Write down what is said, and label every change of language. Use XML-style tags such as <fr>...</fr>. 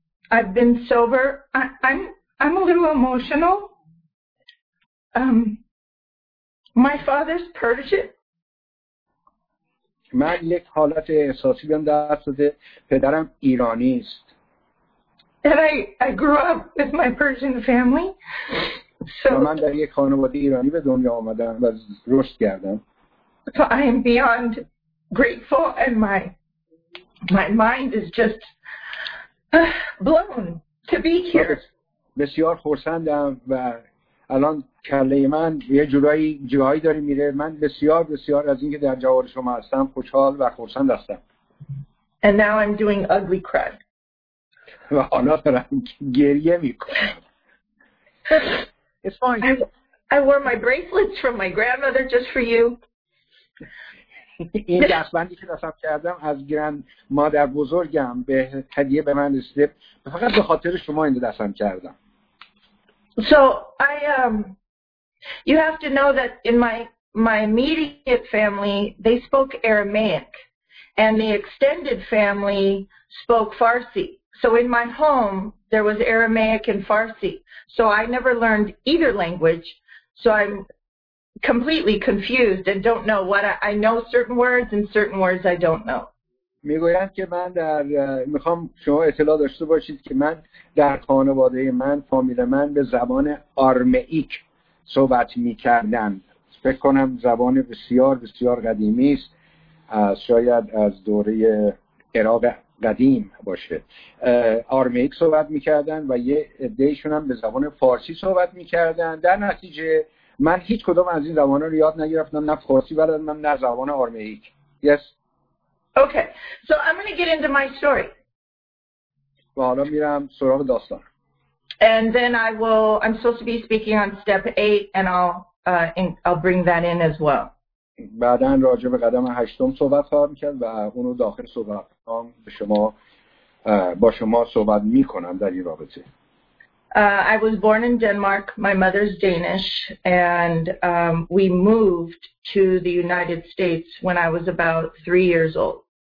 <en>I've been sober. I'm a little emotional. My father's Persian.</en> <fa>من یک حالت احساسی بهم دست داده. پدرم ایرانی است.</fa> <en>And I grew up with my Persian family.</en> <fa>So من در یک خانواده ایرانی به دنیا آمدم و رشد کردم.</fa> <en>So I am beyond grateful and my mind is just blown to be here.</en> <fa>بسیار خرسندم و الان کله من یه جورایی جایی داره میره. من بسیار بسیار از اینکه در جوار شما هستم خوشحال و خرسند هستم.</fa> <en>And now I'm doing ugly crud.</en> <fa>و حالا دارم گریه میکنم.</fa> <en>It's fine. I wore my bracelets from my grandmother just for you.</en> <fa>این دستبندی که نصب کردم از گرند مادر بزرگم به هدیه به من رسیده، فقط به خاطر شما این دستم کردم.</fa> <en>So I you have to know that in my immediate family they spoke Aramaic and the extended family spoke Farsi. So in my home there was Aramaic and Farsi. So I never learned either language. So I'm completely confused and don't know what I know certain words and certain words I don't know.</en> <fa>میگویند که من در میخوام شما اطلاع داشته باشید که من در خانواده من فامیل من به زبان آرمائیک صحبت میکردند. فکر کنم زبان بسیار بسیار قدیمی است، شاید از دوره عراق قدیم باشه. آرمائیک صحبت میکردند و یه عده‌شون هم به زبان فارسی صحبت میکردند. در نتیجه من هیچ کدام از این زبان‌ها رو یاد نگرفتم، نه فارسی بلدم نه زبان آرمائیک.</fa> <en>Yes. Okay, so I'm going to get into my story. And then I'm supposed to be speaking on step 8 and I'll bring that in as well.</en> <fa>بعدن راجع به قدم هشتم صحبت خواهم کرد و اونو داخل صحبت هم با شما صحبت میکنم در این رابطه.</fa> <en>I was born in Denmark. My mother's Danish and we moved to the United States when I was about 3 years old.</en>